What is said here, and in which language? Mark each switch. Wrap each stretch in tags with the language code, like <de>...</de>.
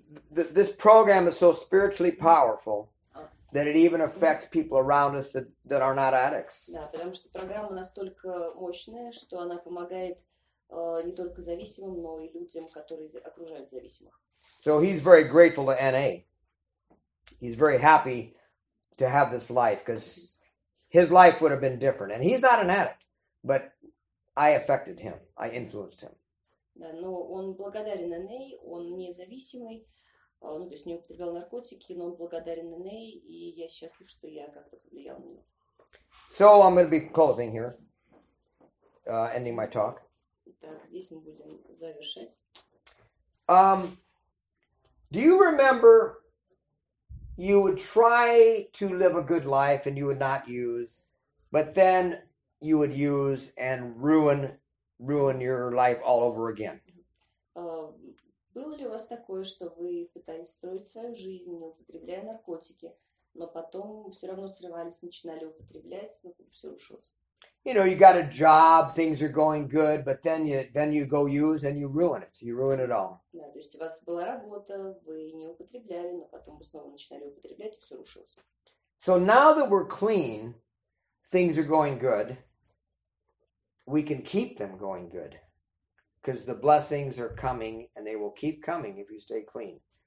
<en>This program is so spiritually powerful that it even affects people around us that are not addicts.</en> <ru>Да, потому что программа настолько мощная, что она помогает не только зависимым, но и людям, которые окружают зависимых.</ru> <en>So he's very grateful to NA. He's very happy to have this life, because his life would have been different. And he's not an addict, but I affected him. I influenced him.</en> <ru>Да, но он благодарен НА, он независимый, ну, то есть не употреблял наркотики, но он благодарен НА, и я счастлив, что я как-то повлиял на него.</ru> <en>So I'm going to be closing here, ending my talk.</en> <ru>Так, здесь мы будем завершать.</ru> <en>Do you remember you would try to live a good life and you would not use, but then you would use and ruin your life all over again?</en> <ru>Было ли у вас такое, что вы пытались строить свою жизнь, не употребляя наркотики, но потом все равно срывались, начинали употреблять, но все рушилось?</ru> <en>You know, you got a job, things are going good, but then you go use and you ruin it. You ruin it all.</en> <ru>Да, то есть у вас была работа, вы не употребляли, но потом вы снова начинали употреблять, и все рушилось.</ru> <en>So now that we're clean, things are going good. We can keep them going good, because the blessings are coming, and they will keep coming if you stay clean.</en>